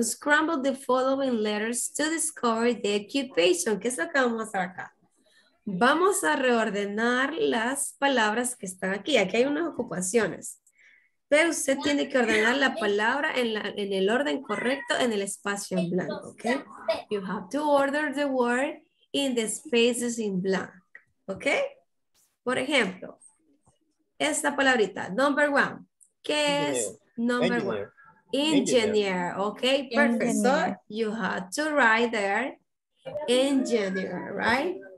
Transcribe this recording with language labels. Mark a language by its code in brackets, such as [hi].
[en] Scramble the following letters to discover the occupation. [es] ¿Qué es lo que vamos a hacer acá? Vamos a reordenar las palabras que están aquí. Aquí hay unas ocupaciones. Pero usted tiene que ordenar la palabra en, la, en el orden correcto en el espacio en blanco. [en] Okay? You have to order the word in the spaces in blank. [es] Okay? Por ejemplo, esta palabrita, [en] number one. [es] ¿Qué es [en] number one? Engineer. Okay, perfect. So you have to write there engineer, right?